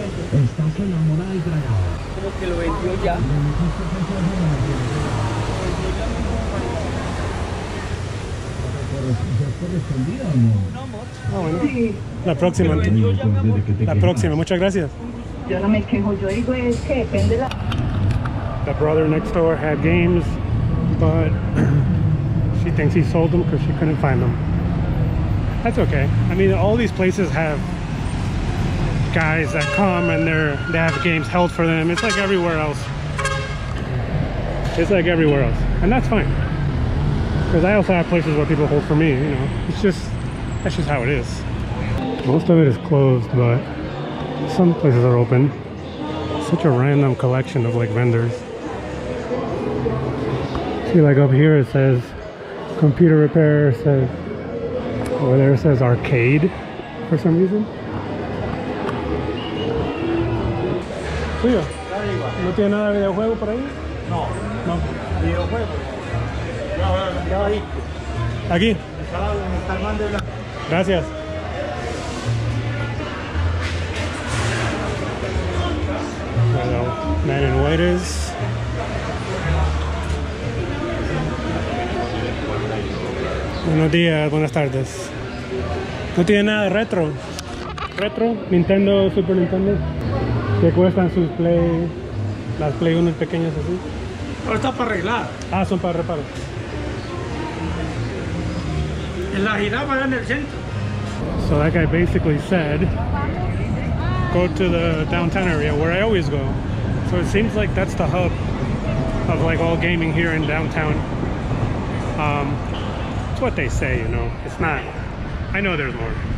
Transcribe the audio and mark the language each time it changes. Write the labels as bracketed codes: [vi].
[es] Estás enamorada y dragada. Como que lo vendió ya. ¿Correspondido o no? No, amor. La próxima, la próxima, muchas gracias. Yo no me quejo, yo digo es que depende la. [en] The brother next door had games, but she thinks he sold them because she couldn't find them. That's okay. I mean, all these places have guys that come and they have games held for them. It's like everywhere else. It's like everywhere else. And that's fine. Because I also have places where people hold for me, you know. It's just, that's just how it is. Most of it is closed, but some places are open. Such a random collection of like vendors. See, like up here it says computer repair, says over there it says arcade for some reason. [es] Sí, yo. ¿No tiene nada de videojuego por ahí? No. No. ¿Videojuego? Ya ahí. Aquí. Gracias. Bueno, [en] man in white is. [es] Buenos días, buenas tardes. ¿No tiene nada de retro? ¿Retro? ¿Nintendo, Super Nintendo? ¿Qué cuestan sus Play? ¿Las Play 1 pequeñas así? Pero está para arreglar. Ah, son para reparo. En la jirafa en el centro. [en] So that guy basically said, go to the downtown area where I always go. So it seems like that's the hub of like all gaming here in downtown. What they say, you know, it's not. I know there's more.